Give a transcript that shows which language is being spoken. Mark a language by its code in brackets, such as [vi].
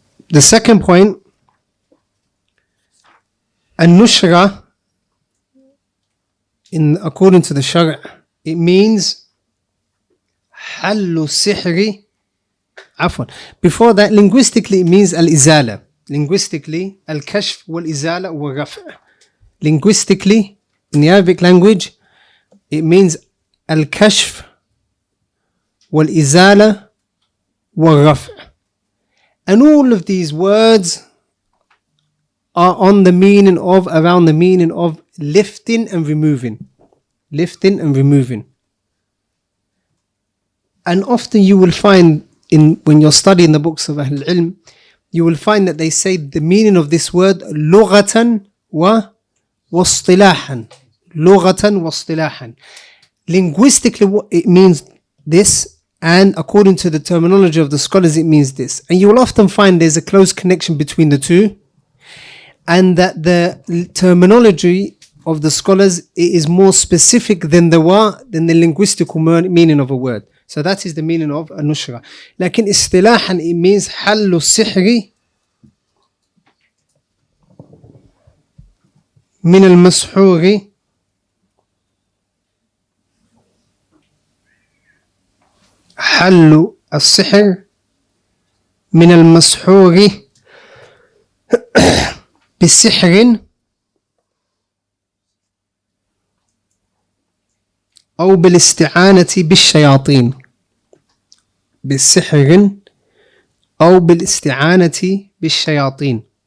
[en] The second point, النشرة in according to the شرع, it means [ar] حل السحر. [en] عفوا, before that, linguistically it means الإزالة. [ar] Linguistically, الكشف والإزالة والرفع. [en] Linguistically, in the Arabic language, it means [ar] الكشف والإزالة والرفع. [en] And all of these words are on the meaning of, around the meaning of lifting and removing. Lifting and removing. And often you will find, in when you're studying the books of Ahlul Ilm, you will find that they say the meaning of this word, [ar] لغةً واصطلاحًا. لغةً واصطلاحًا. [en] Linguistically, it means this. And according to the terminology of the scholars, it means this. And you will often find there's a close connection between the two. And that the terminology of the scholars, it is more specific than the wa, than the linguistical meaning of a word. So that is the meaning of al-nushra. [ar] لكن استلاحا, [en] it means [ar] حل السحر من المسحور حل السحر من المسحور بسحر أو بالاستعانة بالشياطين بسحر أو بالاستعانة بالشياطين.